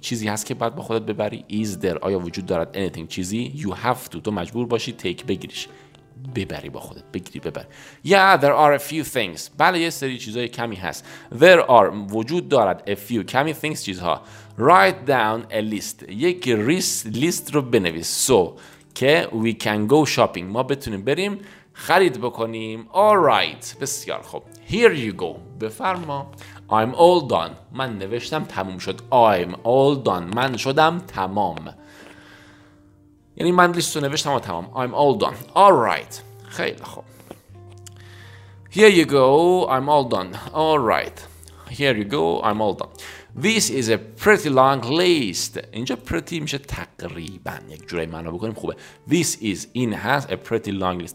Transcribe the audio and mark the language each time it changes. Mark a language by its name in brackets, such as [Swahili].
[Persian] چیزی هست که باید با خودت ببری؟ [English] Is there؟ [Persian] آیا وجود دارد [English] anything؟ [Persian] چیزی؟ [English] You have to، [Persian] تو مجبور باشی [English] take [Persian] بگیریش، ببری با خودت، بگیری ببر. [English] Yeah, there are a few things. [Persian] بله یه سری چیزای کمی هست. [English] There are، [Persian] وجود دارد، [English] a few، [Persian] کمی [English] things، [Persian] چیزها. [English] Write down a list، [Persian] یک [English] list [Persian] رو بنویس [English] so [Persian] که [English] we can go shopping، [Persian] ما بتونیم بریم خرید بکنیم. [English] Alright، [Persian] بسیار خوب. [English] Here you go، [Persian] بفرما. [English] I'm all done، [Persian] من نوشتم تموم شد. I'm all done، من شدم تمام، یعنی من لیست رو نوشتم و تمام. [English] I'm all done. All right. [Persian] خیلی خوب. [English] Here you go. I'm all done. All right. Here you go, I'm all done. This is a pretty long list. [Persian] اینجا pretty میشه تقریبا یک جوری معنا بکنیم خوبه. [English] This is in has a pretty long list.